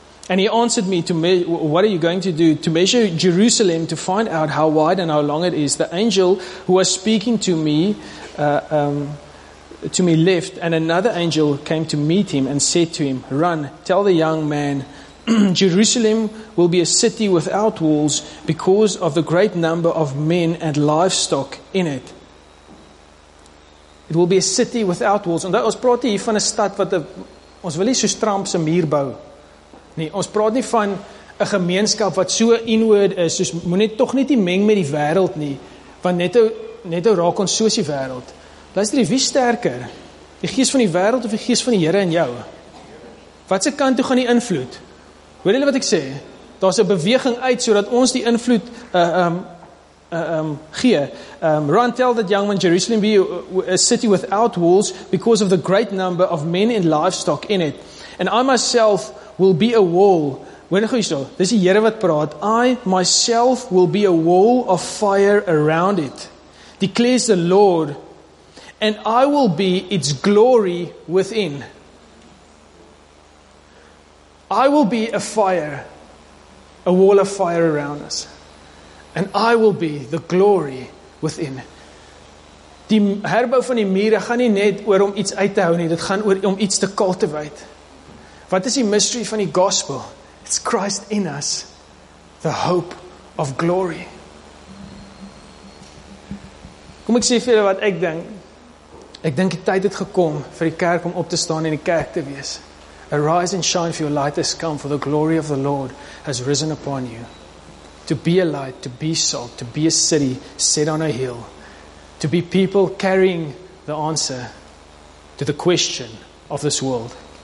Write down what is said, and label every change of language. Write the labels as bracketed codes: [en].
[en] And he answered me, what are you going to do? To measure Jerusalem to find out how wide and how long it is. The angel who was speaking to me left, and another angel came to meet him and said to him, run, tell the young man, Jerusalem will be a city without walls because of the great number of men and livestock in it. It will be a city without walls. [af] En ons praat hier van 'n stad wat ons wil nie so Trump se muur bou. Nee, ons praat nie van 'n gemeenskap wat so inward is, soos moenie tog net nie meng met die wêreld nie, want net net nou raak ons soos die wêreld. Luister, wie sterker? Die gees van die wêreld of die gees van die Here in jou? Wat se kant toe gaan die invloed? Hoor jy wat ek sê? Daar's 'n beweging uit sodat ons die invloed gee. [en] Run, tell that young man, Jerusalem be a city without walls because of the great number of men and livestock in it. And I myself will be a wall. [af] Hoor jy so? Dis die Here wat praat. [en] I myself will be a wall of fire around it, declares the Lord. And I will be its glory within. I will be a fire, a wall of fire around us. And I will be the glory within. [af] Die herbou van die mure gaan nie net oor om iets uit te hou nie, dit gaan oor om iets te cultivate. Wat is die mystery van die gospel? [en] It's Christ in us, the hope of glory. [af] Kom ek sê vir julle wat ek dink. Ek dink die tyd het gekom vir die kerk om op te staan en die kerk te wees. [en] Arise and shine, for your light has come, for the glory of the Lord has risen upon you. To be a light, to be salt, to be a city set on a hill, to be people carrying the answer to the question of this world.